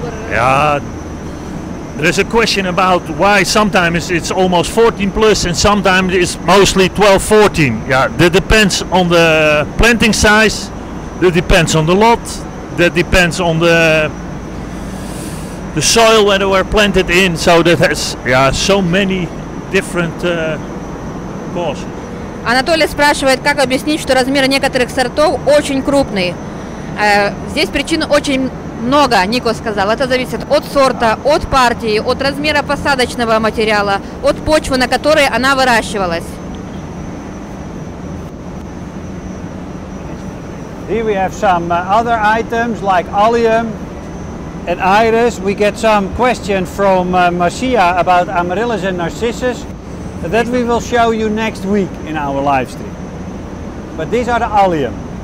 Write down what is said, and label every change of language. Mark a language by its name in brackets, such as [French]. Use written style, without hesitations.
[English] Yeah, there's a question about why sometimes it's almost 14 plus and sometimes it's mostly 12, 14. Yeah, that depends on the planting size, that depends on the lot, that depends on the soil where they were planted in, so that has so many different causes. [Russian] Анатолий спрашивает, как объяснить, что размеры некоторых сортов очень крупные. Здесь причин очень много, Нико сказал. Это зависит от сорта, от партии, от размера посадочного материала, от почвы, на которой она выращивалась. [English] Here we have some other items like allium. And Iris, we get some question from Marcia about amaryllis and narcissus. That we will show you next week in our live stream. But these are the Allium.